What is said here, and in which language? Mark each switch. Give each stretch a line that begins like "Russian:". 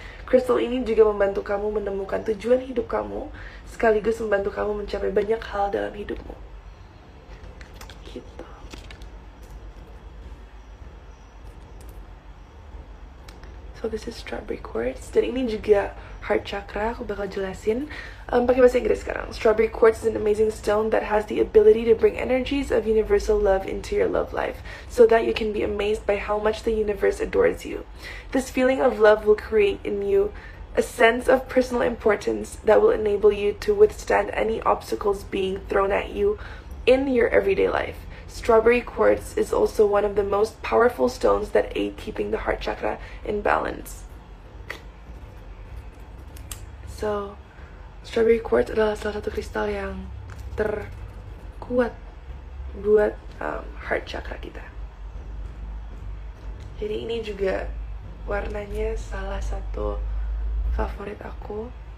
Indonesian: Kristal ini juga membantu kamu menemukan tujuan hidup kamu, sekaligus membantu kamu mencapai banyak hal dalam hidupmu. Gitu.
English: So this is strawberry quartz.
Indonesian: Dan ini juga heart chakra, aku bakal jelasin. Pakai bahasa Inggris sekarang.
English: Strawberry quartz is an amazing stone that has the ability to bring energies of universal love into your love life, so that you can be amazed by how much the universe adores you. This feeling of love will create in you a sense of personal importance that will enable you to withstand any obstacles being thrown at you in your everyday life. Strawberry quartz is also one of the most powerful stones that aid keeping the heart chakra in balance.
Indonesian: So, strawberry quartz adalah salah satu kristal yang terkuat buat heart chakra kita. Jadi ini juga warnanya salah satu favorit aku.